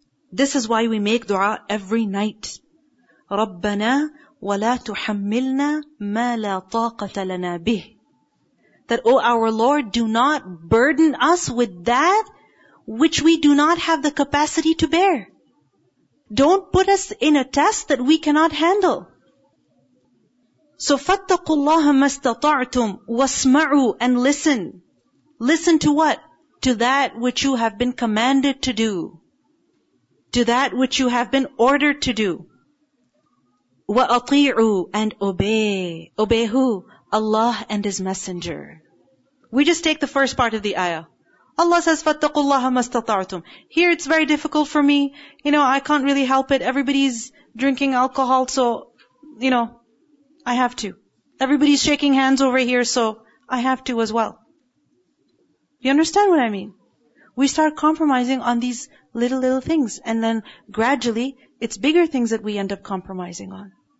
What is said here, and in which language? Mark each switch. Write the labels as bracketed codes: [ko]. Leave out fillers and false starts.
[en] This is why we make dua every night. [ar] رَبَّنَا وَلَا تُحَمِّلْنَا مَا لَا طَاقَةَ لَنَا بِهِ [en] That, O our Lord, do not burden us with that which we do not have the capacity to bear. Don't put us in a test that we cannot handle. So, [ar] فَاتَّقُوا اللَّهَ مَا اسْتَطَعْتُمْ وَاسْمَعُوا [en] and listen. Listen to what? To that which you have been commanded to do. To that which you have been ordered to do. وَأَطِيعُوا and obey. Obey who? Allah and His Messenger. We just take the first part of the ayah. Allah says, [ar] فَاتَّقُوا اللَّهَ مَا اسْتَطَعْتُمْ. [en] Here it's very difficult for me. You know, I can't really help it. Everybody's drinking alcohol, so, you know, I have to. Everybody's shaking hands over here, so I have to as well. You understand what I mean? We start compromising on these little things, and then gradually, it's bigger things that we end up compromising on.